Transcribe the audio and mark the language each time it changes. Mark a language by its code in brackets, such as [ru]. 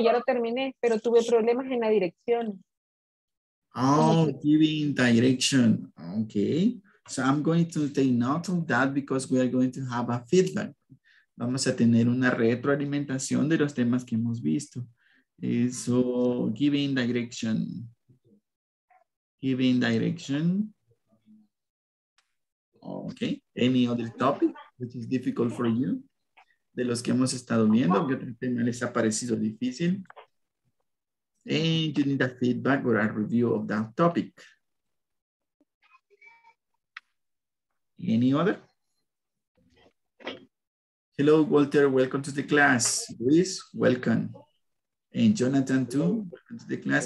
[es] Ya lo terminé, pero tuve problemas en la dirección. [en] Oh, giving direction. Okay. So I'm going to take note of that because we are going to have a feedback. [es] Vamos a tener una retroalimentación de los temas que hemos visto. [en] So, giving direction. Giving direction. Okay. Any other topic which is difficult for you? [es] De los que hemos estado viendo, ¿qué otro tema les ha parecido difícil? [en] And you need a feedback or a review of that topic. Any other? Hello, Walter. Welcome to the class. Luis, welcome. And Jonathan, too. Welcome to the class.